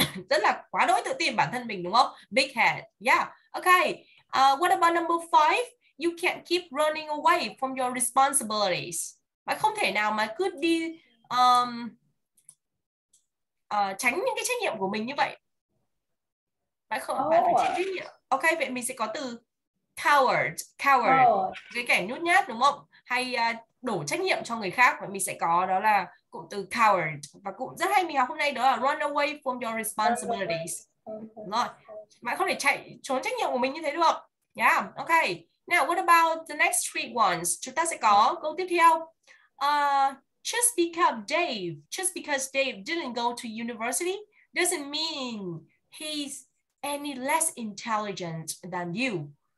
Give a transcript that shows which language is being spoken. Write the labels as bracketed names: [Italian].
[Vietnamese] Rất là quá đỗi tự tin bản thân mình đúng không? [English] Big head. Yeah. Okay. What about number five? You can't keep running away from your responsibilities. [Vietnamese] Mà không thể nào mà cứ đi tránh những cái trách nhiệm của mình như vậy. Phải không? Phải trách nhiệm. Ok, vậy mình sẽ có từ coward. Cái kẻ nhút nhát đúng không? Hay đổ trách nhiệm cho người khác, và mình sẽ có đó là cụm từ coward, và cụm rất hay mình học hôm nay đó là [English] run away from your responsibilities. [Vietnamese] Rồi, bạn không thể chạy trốn trách nhiệm của mình như thế được. Yeah, okay. [English] Now, what about the next three ones? [Vietnamese] Chúng ta sẽ có câu tiếp theo. [English] Just because Dave, just because Dave didn't go to university doesn't mean he's any less intelligent than you.